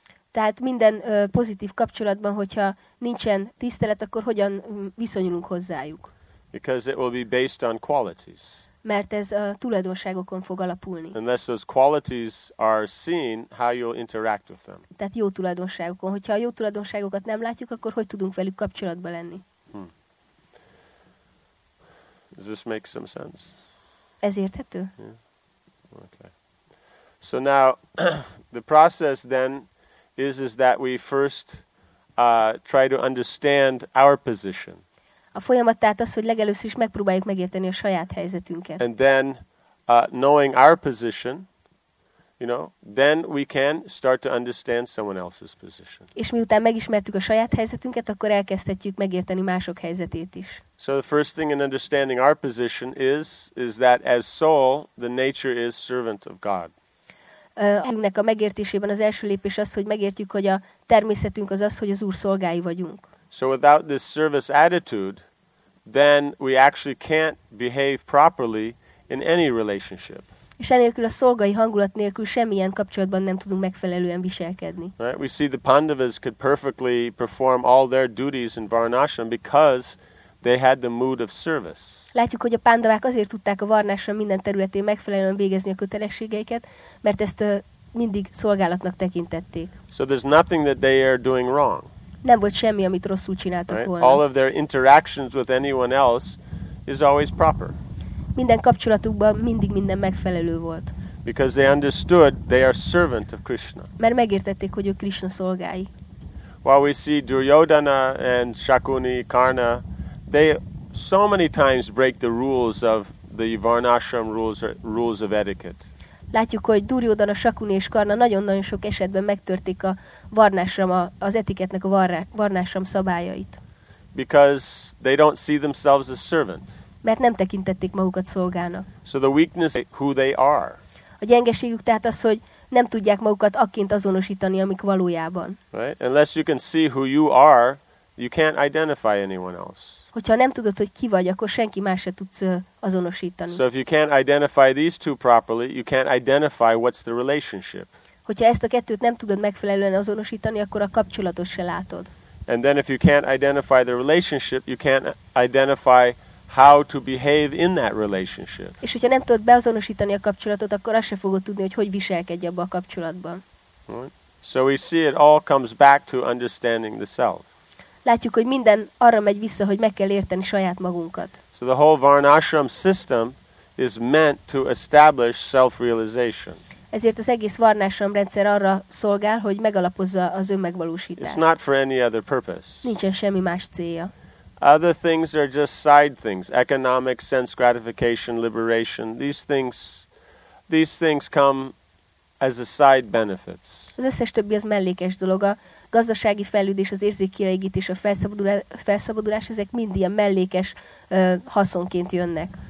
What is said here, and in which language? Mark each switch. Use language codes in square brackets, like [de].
[hu] Tehát minden pozitív kapcsolatban, hogyha nincsen tisztelet, akkor hogyan viszonyulunk hozzájuk? [en] Because it will be based on qualities. [hu] Mert ez a tulajdonságokon fog alapulni. [en] Unless those qualities are seen, how you'll interact with them. [hu] Tehát jó tulajdonságokon. Hogyha a jó tulajdonságokat nem látjuk, akkor hogy tudunk velük kapcsolatban lenni? [en] Does this make some sense? [hu] Ez érthető? [en] Yeah. Okay. So now, the process then is that we first try to understand our position. [hu] A folyamat tehát az, hogy legelőször is megpróbáljuk megérteni a saját helyzetünket. [en] And then, knowing our position, you know, then we can start to understand someone else's position. [hu] És miután megismertük a saját helyzetünket, akkor elkezdhetjük megérteni mások helyzetét is. [en] So the first thing in understanding our position is that as soul, the nature is servant of God. [hu] Ennek a megértésében az első lépés az, hogy megértjük, hogy a természetünk az az, hogy az Úr szolgái vagyunk. [en] So without this service attitude, then we actually can't behave properly in any relationship. [hu] És enélkül a szolgai hangulat nélkül semmilyen kapcsolatban nem tudunk megfelelően viselkedni. [en] Right? We see the Pandavas could perfectly perform all their duties in Varnashram because they had the mood of service. [hu] Látjuk, hogy a Pandavák azért tudták a Varnashram minden területén megfelelően végezni a kötelességeiket, mert ezt mindig szolgálatnak tekintették. [en] So there's nothing that they are doing wrong. [hu] Nem volt semmi, amit rosszul csináltak volna. [en] All of their interactions with anyone else is always proper. [hu] Minden kapcsolatukban mindig minden megfelelő volt. [en] Because they understood they are servant of Krishna. [hu] Mert megértették, hogy ők Krishna szolgái. [en] While we see Duryodhana and Shakuni, Karna, they so many times break the rules of the Varnashram rules of etiquette. [hu] Látjuk, hogy Duryodhana, Shakuni és Karna nagyon-nagyon sok esetben megtörték a Varnashram, az etiketnek a Varnashram szabályait. [en] Because they don't see themselves as servant. [hu] Mert nem tekintették magukat szolgának. [en] So the weakness is who they are. [hu] A gyengeségük tehát az, hogy nem tudják magukat akként azonosítani, amik valójában. [en] Right? Unless you can see who you are, you can't identify anyone else. [hu] Hogyha nem tudod, hogy ki vagy, akkor senki más se tudsz azonosítani. [en] So if you can't identify these two properly, you can't identify what's the relationship. [hu] Hogyha ezt a kettőt nem tudod megfelelően azonosítani, akkor a kapcsolatot se látod. [en] And then if you can't identify the relationship, you can't identify how to behave in that relationship. [hu] És hogyha nem tudod beazonosítani a kapcsolatot, akkor azt se fogod tudni, hogy hogy viselkedj abban a kapcsolatban. [en] So we see it all comes back to understanding the self. [hu] Látjuk, hogy minden arra megy vissza, hogy meg kell érteni saját magunkat. [en] So the whole Varnashram system is meant to establish self-realization. [hu] Ezért az egész Varnashram rendszer arra szolgál, hogy megalapozza az önmegvalósítást. [en] It's not for any other purpose. [hu] Nincsen semmi más célja. [en] Other things are just side things. Economic, sense gratification, liberation. These things come as a side benefits. [hu] Az összes többi az mellékes dolog. Gazdasági fejlődés, az érzékkielégítés, a felszabadulás, ezek mind ilyen mellékes haszonként jönnek.